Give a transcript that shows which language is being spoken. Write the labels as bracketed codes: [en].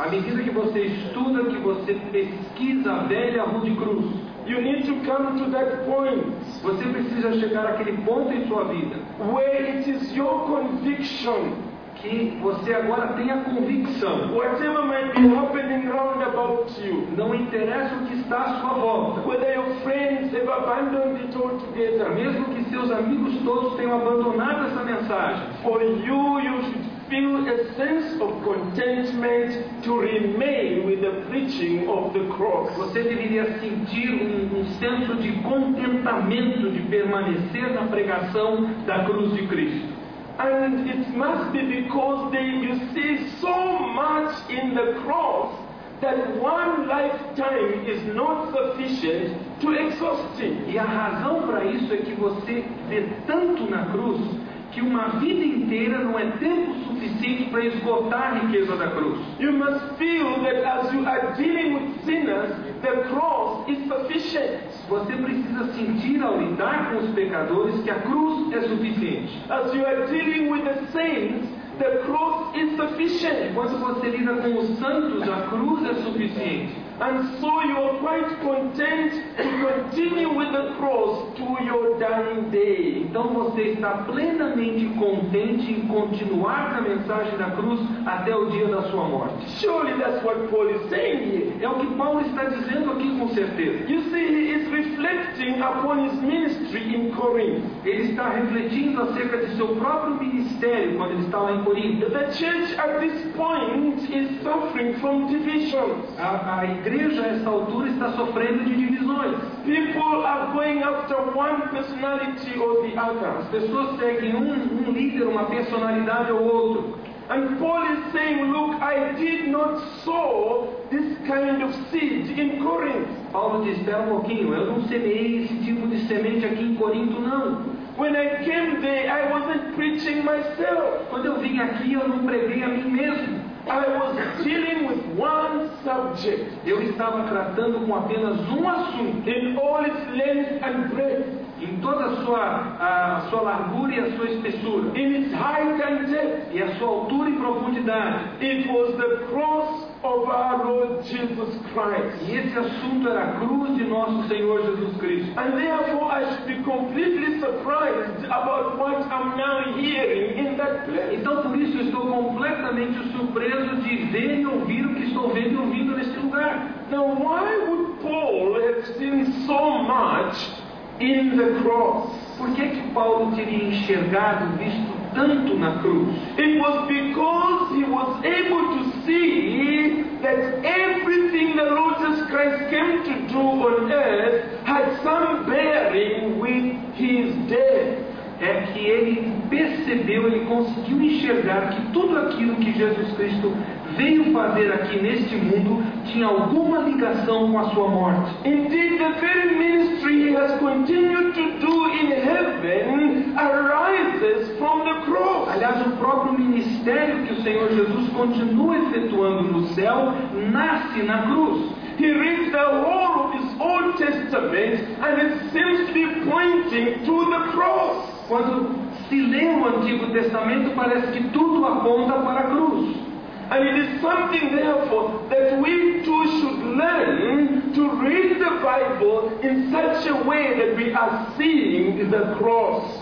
[pt] À medida que você estuda, que você pesquisa a velha rude cruz, [en] you need to come to that point. [pt] Você precisa chegar àquele ponto em sua vida [en] where it is your conviction. [pt] Que você agora tem a convicção. [en] Whatever might be happening round about you. [pt] Não interessa o que está à sua volta. [en] Whether your friends have abandoned it altogether. [pt] Mesmo que seus amigos todos tenham abandonado essa mensagem. [en] For you, you should feel a sense of contentment to remain with the preaching of the cross. [pt] Você deveria sentir um senso de contentamento de permanecer na pregação da cruz de Cristo. [en] And it must be because they, you see, so much in the cross that one lifetime is not sufficient to exhaust it. [pt] E a razão para isso é que você vê tanto na cruz que uma vida inteira não é tempo suficiente suficiente para esgotar a riqueza da cruz. [en] You must feel that as you are dealing with sinners, the cross is sufficient. [pt] Você precisa sentir ao lidar com os pecadores que a cruz é suficiente. [en] As you are dealing with the saints, the cross is sufficient. [pt] Quando você lida com os santos, a cruz é suficiente. [en] And so you are quite content to continue with the cross to your dying day. [pt] Então você está plenamente contente em continuar com a mensagem da cruz até o dia da sua morte. [en] Surely that's what Paul is saying here. [pt] É o que Paulo está dizendo aqui com certeza. [en] You see, he is reflecting upon his ministry in Corinth. [pt] Ele está refletindo acerca de seu próprio ministério quando ele estava em Corinto. [en] The church at this point is suffering from divisions. [pt] A igreja a essa altura está sofrendo de divisões. [en] People are going after one personality or the other. [pt] As pessoas seguem um líder, uma personalidade ou outro. [en] And Paul is saying, look, I did not sow this kind of seed in Corinth. [pt] Paulo diz, espera um pouquinho, eu não semeei esse tipo de semente aqui em Corinto, não. [en] When I came there, I wasn't preaching myself. [pt] Quando eu vim aqui, eu não preguei a mim mesmo. [en] I was dealing with one subject. [pt] Eu estava tratando com apenas assunto. [en] In all its length and breadth. [pt] Em toda a sua largura e a sua espessura. [en] In its height and depth. [pt] E a sua altura e profundidade. [en] It was the cross of our Lord Jesus Christ. [pt] E esse assunto era a cruz de nosso Senhor Jesus Cristo. [en] And therefore I should be completely surprised about what I'm now hearing in that place. [pt] Então por isso estou completamente surpreso de ver e ouvir o que estou vendo e ouvindo neste lugar. [en] Now why would Paul have seen so much in the cross? [pt] Por que que Paulo teria enxergado, visto tanto na cruz? [en] It was because he was able to see that everything the Lord Jesus Christ came to do on earth had some bearing with his death. [pt] É que ele percebeu, ele conseguiu enxergar que tudo aquilo que Jesus Cristo veio fazer aqui neste mundo tinha alguma ligação com a sua morte. [en] Indeed, the very ministry he has continued to do in heaven arises from the cross. [pt] Aliás, o próprio ministério que o Senhor Jesus continua efetuando no céu nasce na cruz. [en] He reads the whole of his Old Testament and it seems to be pointing to the cross. [pt] Quando se lê o Antigo Testamento, parece que tudo aponta para a cruz. [en] And it is something, therefore, that we too should learn to read the Bible in such a way that we are seeing the cross.